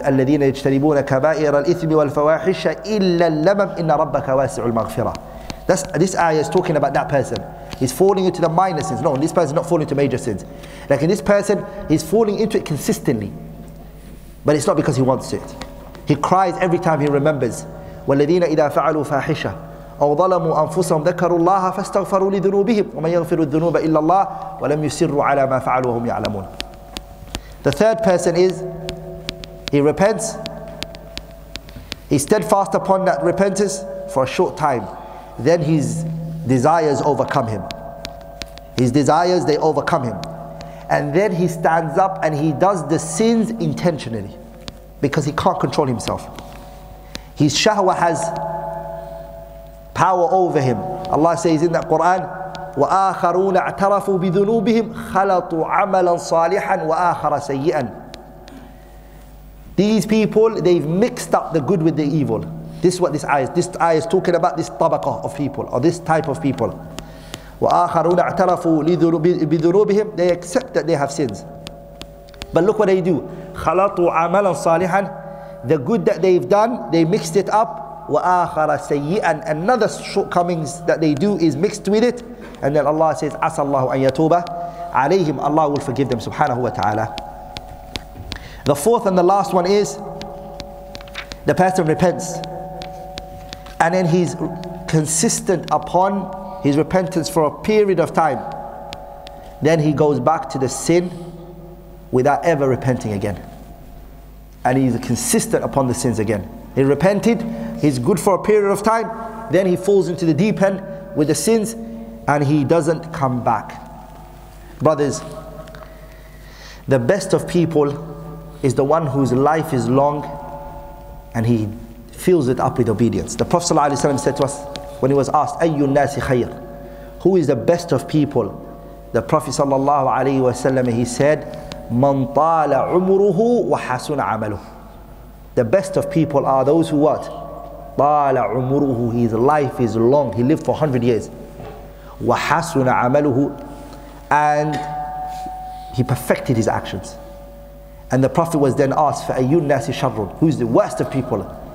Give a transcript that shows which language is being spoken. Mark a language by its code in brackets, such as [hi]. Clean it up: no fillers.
[ar] الَّذِينَ يَجْتَنِبُونَ كَبَائِرَ الْإِثْمِ وَالْفَوَاحِشَ إِلَّا اللَّمَمْ إِنَّ رَبَّكَ وَاسِعُ الْمَغْفِرَةِ. [en] This ayah is talking about that person. He's falling into the minor sins. No, this person is not falling into major sins. Like in this person, he's falling into it consistently. But it's not because he wants it. He cries every time he remembers. [ar] وَالَّذِينَ إِذَا فَعَلُوا فَاحِشَةً أو ظلموا أنفسهم ذكروا الله فاستغفروا لذنوبهم ومن يغفر الذنوب إلا الله ولم يسروا على ما فعلوا وهم يعلمون. [en] The third person is, he repents, he's steadfast upon that repentance for a short time, then his desires overcome him. His desires, they overcome him. And then he stands up and he does the sins intentionally because he can't control himself. His shahwa has power over him. Allah says in the Quran, [ar] وَآخَرُونَ اَعْتَرَفُوا بِذُنُوبِهِمْ خَلَطُوا عَمَلًا صَالِحًا وَآخَرَ سَيِّئًا. [en] These people, they've mixed up the good with the evil. This is what this ayah is talking about, this tabaka of people, or this type of people. [ar] وَآخَرُونَ اَعْتَرَفُوا بِذُنُوبِهِمْ. [en] They accept that they have sins. But look what they do. [ar] خَلَطُوا عَمَلًا صَالِحًا. [en] The good that they've done, they mixed it up. [ar] وَآخَرَ سَيِّئًا. [en] Another shortcomings that they do is mixed with it. And then Allah says, [ar] عَسَى اللَّهُ أَنْ يَتُوبَ عَلَيْهِمْ. [en] Allah will forgive them, subhanahu wa ta'ala. The fourth and the last one is, the person repents. And then he's consistent upon his repentance for a period of time. Then he goes back to the sin without ever repenting again. And he's consistent upon the sins again. He repented, he's good for a period of time, then he falls into the deep end with the sins and he doesn't come back. Brothers, the best of people is the one whose life is long and he fills it up with obedience. The Prophet ﷺ said to us when he was asked, [ar] أَيُّ النَّاسِ خَيْرٌ. [en] Who is the best of people? The Prophet ﷺ, he said, [ar] مَنْ طَالَ عُمُرُهُ وَحَسُنَ عَمَلُهُ. [en] The best of people are those who what? [ar] طال عمره, [en] his life is long. He lived for 100 years. [ar] وحسن عمله, [en] and he perfected his actions. And the Prophet was then asked, [ar] فأي الناس شر. [en] Who's the worst of people?